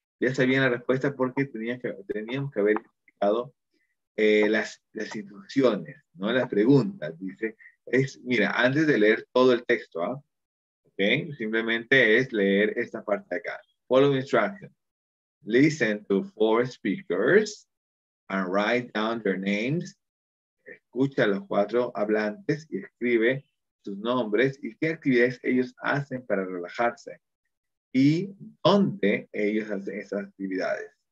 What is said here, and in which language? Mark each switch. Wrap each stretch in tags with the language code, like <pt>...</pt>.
<es>Ya sabían la respuesta porque teníamos que haber explicado las instrucciones, no las preguntas. Dice, es, mira, antes de leer todo el texto, ¿ah? Okay, simplemente es leer esta parte acá.</es> <en>Follow instruction. Listen to four speakers and write down their names.</en> <es>Escucha a los cuatro hablantes y escribe sus nombres y qué actividades ellos hacen para relajarse y dónde ellos hacen esas actividades.</es>